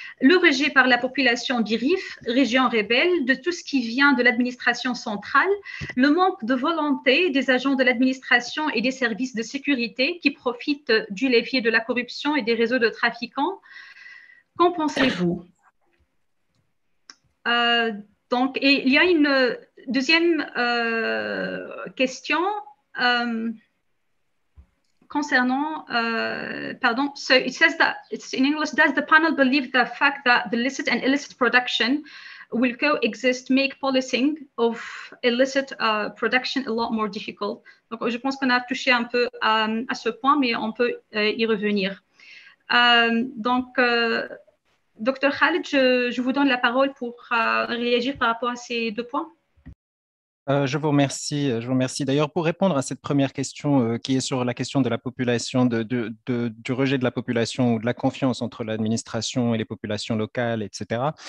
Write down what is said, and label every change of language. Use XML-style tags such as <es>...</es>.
<fr>Le rejet par la population d'IRIF, région rebelle, de tout ce qui vient de l'administration centrale, le manque de volonté des agents de l'administration et des services de sécurité qui profitent du levier de la corruption et des réseaux de trafiquants. Qu'en pensez-vous? Donc, et il y a une deuxième question concernant, pardon,</fr> <en>so it says that, it's in English, does the panel believe the fact that the licit and illicit production will coexist make policing of illicit production a lot more difficult?</en> <fr>Donc, je pense qu'on a touché un peu à ce point, mais on peut y revenir. Docteur Khaled, je vous donne la parole pour réagir par rapport à ces deux points. Je vous remercie. Je vous remercie. D'ailleurs, pour répondre à cette première question qui est sur la question de la population, du rejet de la population ou de la confiance entre l'administration et les populations locales, etc.</fr>